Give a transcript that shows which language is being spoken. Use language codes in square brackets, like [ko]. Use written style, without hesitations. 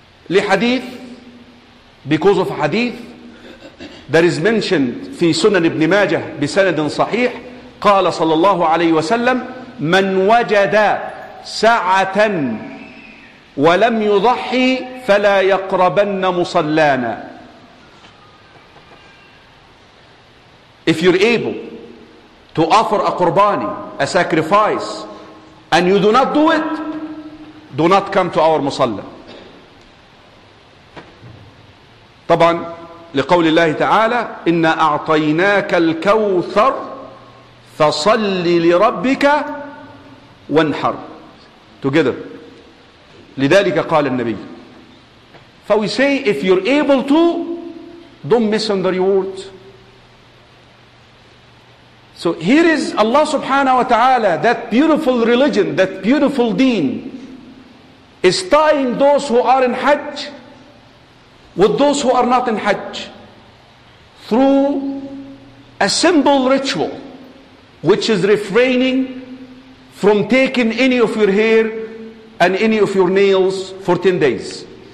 [ar] لحديث, [en] because of a hadith that is mentioned [ar] في سنن ابن ماجه بسند صحيح, قال صلى الله عليه وسلم من وجد ساعة ولم يضحي فلا يقربن مصلانا. [en] If you're able to offer a qurbani, a sacrifice, and you do not do it, do not come to our musalla. [ar] طبعا لقول الله تعالى إن أعطيناك الكوثر فصلي لربك وانحر. [en] Together. [ar] لذلك قال النبي. [en] So we say, if you're able to, don't miss on the reward. So here is Allah subhanahu wa ta'ala, that beautiful religion, that beautiful deen, is tying those who are in Hajj with those who are not in Hajj through a simple ritual, which is refraining from taking any of your hair and any of your nails for 10 days.